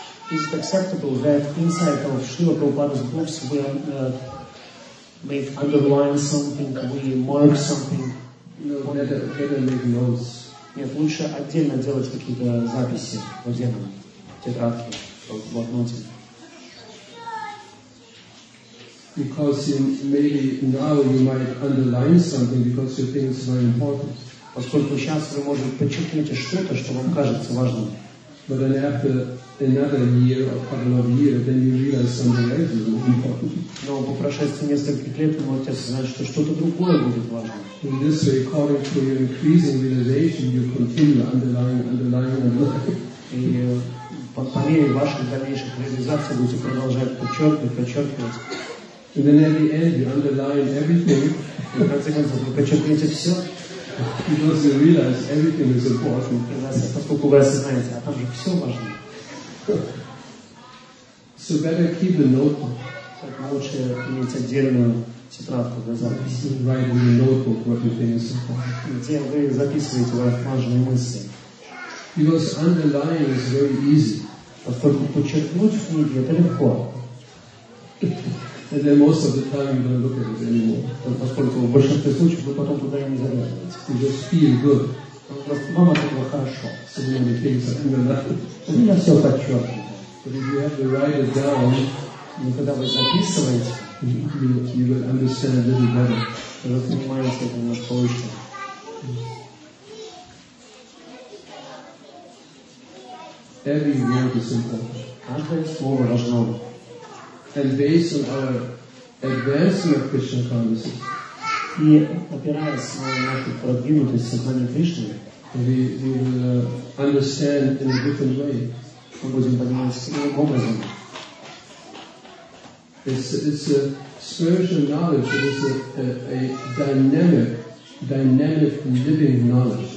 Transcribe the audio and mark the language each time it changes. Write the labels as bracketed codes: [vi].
[en] Is it acceptable that inside of Шрила Прабхупада's books we are make underline something, we mark something. No, better make notes. [ru] Нет, лучше отдельно делать какие-то записи в отдельном тетрадке, в одноте. [en] Because you, maybe now you might underline something because you think it's very important. [ru] Поскольку сейчас вы можете подчеркнуть что-то, что вам кажется важным. [en] But then after another year or couple of years, then you realize something else is more important. [ru] Но по прошествии нескольких лет вы можете осознать, что что-то другое будет важно. [en] In this way, according to your increasing realization, you continue underlining, underlining, underlining. [ru] И по мере ваших дальнейших реализаций будете продолжать подчеркивать, подчеркивать. [en] And then at the end, you underline everything. [ru] И в конце концов, вы подчеркиваете все. [en] Because you realize everything is important. [ru] Поскольку вы осознаете, а там же все важно. [en] So better keep a note. [ru] Лучше иметь отдельную тетрадку для записи. [en] Write in a notebook what you think is important. [ru] Где вы записываете ваши важные мысли. [en] Because underlining is very easy. [ru] Поскольку подчеркнуть в книге это легко. [en] And then most of the time you don't look at it anymore. [ru] Поскольку в большинстве случаев вы потом туда и не заглядываете. [en] You just feel good. [ru] Вам от этого хорошо. [en] So many things are under [ru] that. У меня все подчеркнуто. [en] But if you have to write it down, [ru] но когда вы записываете, [en] you will understand a little better. [ru] Вы понимаете это немножко лучше. [en] Every word is important. [ru] Каждое слово важно. [en] And based on our advancement of Krishna consciousness, [ru] и опираясь на нашу продвинутость сознания Кришны, [en] we will understand in a different way. [ru] Мы будем понимать другим образом. [en] It's a spiritual knowledge. It is a dynamic living knowledge.